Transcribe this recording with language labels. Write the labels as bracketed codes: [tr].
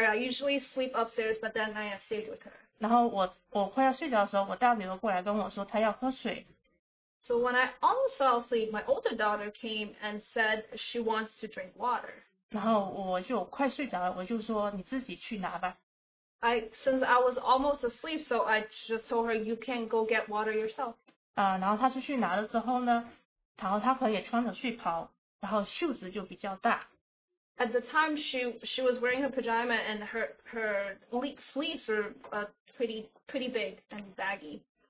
[en] I usually sleep upstairs, but then I stayed with her. [zh] 然后我快要睡觉的时候，我大女儿过来跟我说，她要喝水。 [en] So when I almost fell asleep, my older daughter came and said she wants to drink water. [zh] 然后我就快睡着了，我就说你自己去拿吧。 [en] I since I was almost asleep, so I just told her you can go get water yourself. [zh] 然后她出去拿了之后呢，然后她可能也穿着睡袍，然后袖子就比较大。 [en] At the time, she was wearing her pajama, and her sleeves are pretty big and baggy.